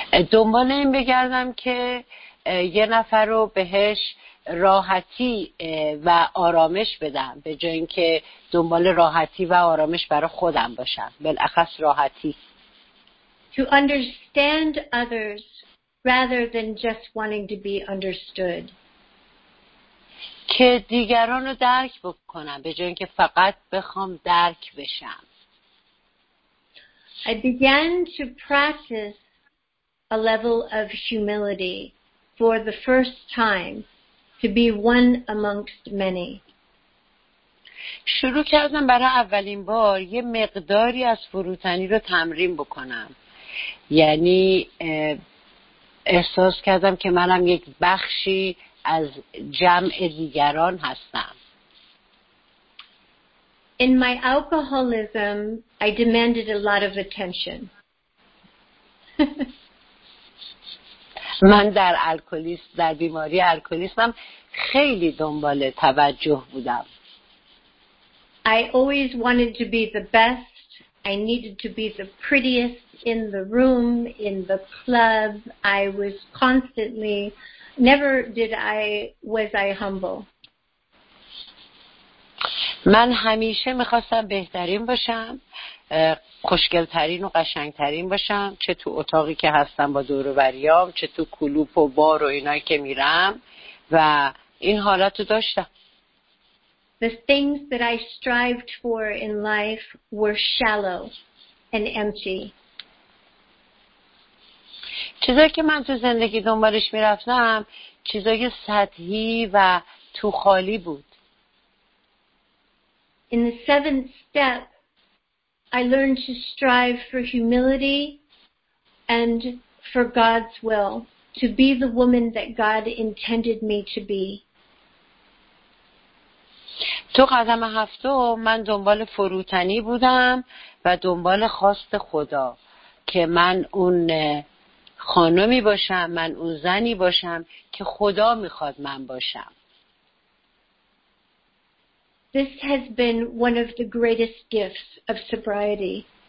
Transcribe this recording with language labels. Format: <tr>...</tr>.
<fa>دنبال این بگردم که یه نفر رو بهش راحتی و آرامش بدم به جای اینکه دنبال راحتی و آرامش برای خودم باشم، بالاخص راحتی.</fa> <en>To understand others rather than just wanting to be understood.</en> <fa>که دیگران رو درک بکنم به جای اینکه فقط بخوام درک بشم.</fa> <en>I began to practice a level of humility for the first time, to be one amongst many.</en> <fa>شروع کردم برای اولین بار یه مقداری از فروتنی رو تمرین بکنم. یعنی احساس کردم که منم یک بخشی از جمع دیگران هستم.</fa> <en>In my alcoholism, I demanded a lot of attention.</en> <fa>من در الکلیسم، در بیماری الکلیسمم خیلی دنبال توجه بودم.</fa> <en>I always wanted to be the best. I needed to be the prettiest in the room, in the club. I was constantly never did I was I humble.</en> <fa>من همیشه می‌خواستم بهترین باشم، خوشگل‌ترین و قشنگ‌ترین باشم، چه تو اتاقی که هستم با دوروبریام، چه تو کلوپ و بار و اینایی که میرم، و این حالتو داشتم.</fa> <en>The things that I strived for in life were shallow and empty.</en> <fa>چیزایی که من تو زندگی دنبالش می‌رفتم، چیزای سطحی و تو خالی بود.</fa> <en>In the seventh step, I learned to strive for humility and for God's will, to be the woman that God intended me to be.</en> <fa>تو قدم هفته من دنبال فروتنی بودم و دنبال خواست خدا که من اون خانمی باشم، من اون زنی باشم که خدا میخواد من باشم.</fa> <en>This has been one of the greatest gifts of sobriety.</en>